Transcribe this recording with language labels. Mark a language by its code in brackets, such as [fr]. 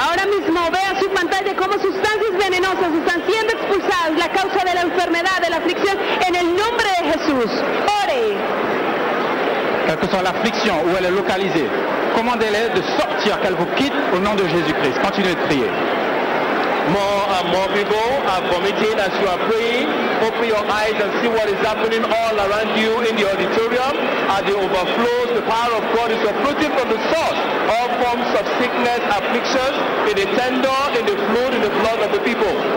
[es] Ahora mismo vea su pantalla cómo sustancias venenosas están siendo expulsadas, la causa de la enfermedad, de la aflicción, en el nombre de Jesús. Ore. [fr] Quelle que soit l'affliction, où elle est localisée, commandez-les de sortir, qu'elle vous quitte au nom de Jésus-Christ. Continuez de prier. [en] More and more people are vomiting as you are praying. Open your eyes and see what is happening all around you in the auditorium. As it overflows, the power of God is uprooting from the source. All forms of sickness, afflictions, in the tendon, in the fluid, in the blood of the people.